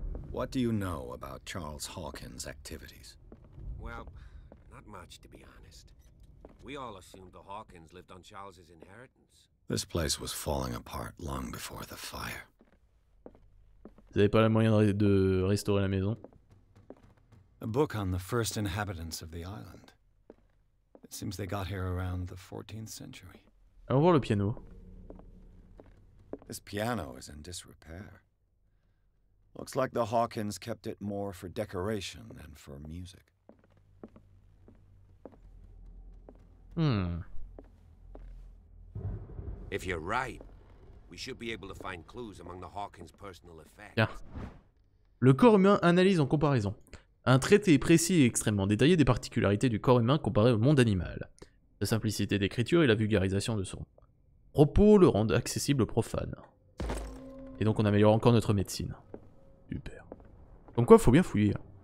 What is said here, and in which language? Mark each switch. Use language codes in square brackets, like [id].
[en] What do you know about Charles Hawkins' activities? Well, not much, to be honest. We all assumed the Hawkins lived on Charles's inheritance. This place was falling apart long before the fire. [fr] Vous n'avez pas le moyen de restaurer la maison. [en] A book on the first inhabitants of the island. It seems they got here around the 14th century. [fr] Allons voir le piano. [en] This piano is in disrepair. Looks like the Hawkins kept it more for decoration than for music. If you're right, we should be able to find clues among the Hawkins' personal effects. [fr] Bien. Le corps humain analyse en comparaison. Un traité précis et extrêmement détaillé des particularités du corps humain comparé au monde animal. Sa simplicité d'écriture et la vulgarisation de son propos le rendent accessible aux profanes. Et donc on améliore encore notre médecine. Super. Comme quoi, faut bien fouiller.